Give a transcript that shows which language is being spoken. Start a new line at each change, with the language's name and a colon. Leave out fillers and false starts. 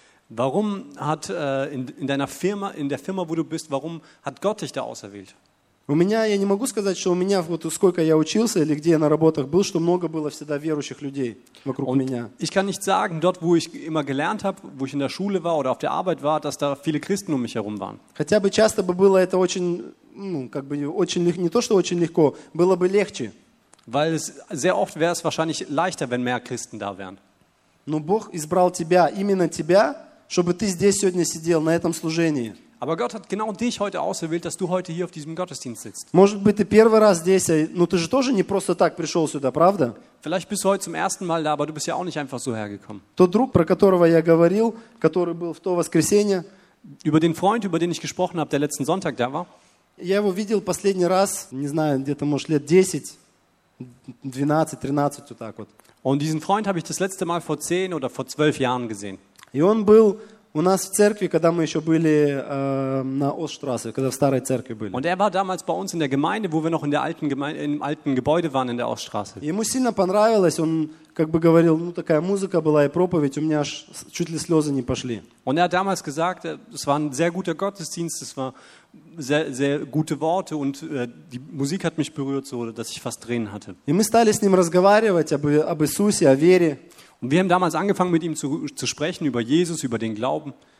German: Warum hat in deiner Firma, in der Firma, wo du bist, warum hat Gott dich da auserwählt?
Russian: У меня, я не могу сказать, что у меня, вот сколько я учился или где я на работах был, что много было всегда верующих людей вокруг
German: und
Russian: меня.
German: Ich kann nicht sagen, dort, wo ich immer gelernt habe, wo ich in der Schule war oder auf der Arbeit war, dass da viele Christen um mich herum waren.
Russian: Хотя бы часто бы было это очень, ну, как бы очень легко, не то, что очень легко, было бы легче.
German: Weil es sehr oft wäre es wahrscheinlich leichter, wenn mehr Christen da wären.
Russian: Но Бог избрал тебя, именно тебя, чтобы ты здесь сегодня сидел, на этом служении.
German: Aber Gott hat genau dich heute ausgewählt, dass du heute hier auf diesem Gottesdienst sitzt.
Russian: Может быть, ты первый раз здесь, но ты же тоже не просто так пришел сюда, правда?
German: Vielleicht bist du heute zum ersten Mal da, aber du bist ja auch nicht einfach so hergekommen.
Russian: Тот друг, про которого я говорил, который был в то воскресенье,
German: über den Freund, über den ich gesprochen habe, der letzten Sonntag da war.
Russian: Я его видел последний раз, не знаю, где-то, может, лет 10, 12, 13, вот так вот.
German: Und diesen Freund habe ich das letzte Mal vor 10 oder vor 12 Jahren gesehen.
Russian: И он был у нас в церкви, когда мы еще были на Оststraße, когда в старой церкви были.
German: Und war damals bei uns in der Gemeinde, wo wir noch in der alten Gemeinde, im alten Gebäude waren in der Oststraße.
Russian: Ему сильно понравилось, он как бы говорил, ну такая музыка была и проповедь, у меня аж чуть ли слезы не пошли.
German: Und damals gesagt, es war ein sehr guter Gottesdienst, es war sehr, sehr gute Worte und die Musik hat mich berührt, so dass ich fast Tränen hatte.
Russian: И мы стали с ним разговаривать об Иисусе, о вере.
German: Und wir haben damals angefangen, mit ihm zu sprechen über Jesus, über den Glauben.